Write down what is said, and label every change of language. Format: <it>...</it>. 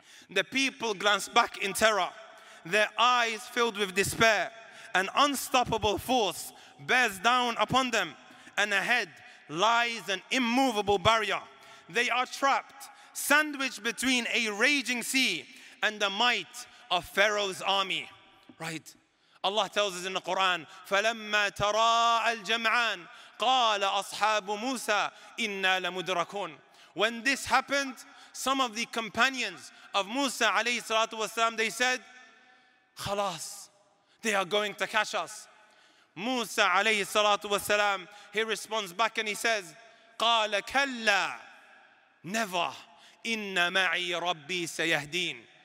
<en>The people glance back in terror, their eyes filled with despair. An unstoppable force bears down upon them, and ahead lies an immovable barrier. They are trapped, sandwiched between a raging sea and the might of Pharaoh's army. Right? Allah tells us in the Quran,</en> <ar>فَلَمَّا تَرَاءَ الْجَمْعَانِ قَالَ أَصْحَابُ مُوسَى إِنَّا لَمُدْرَكُونَ.</ar> <en>When this happened, some of the companions of Musa alayhi salatu wasalam, they said, خلاص, they are going to catch us. Musa alayhi salatu wasalam, he responds back and he says,</en> <ar>قَالَ كَلَّا</ar> <en>never,</en> <ar>إِنَّ مَعِي رَبِّي سَيَهْدِينَ.</ar>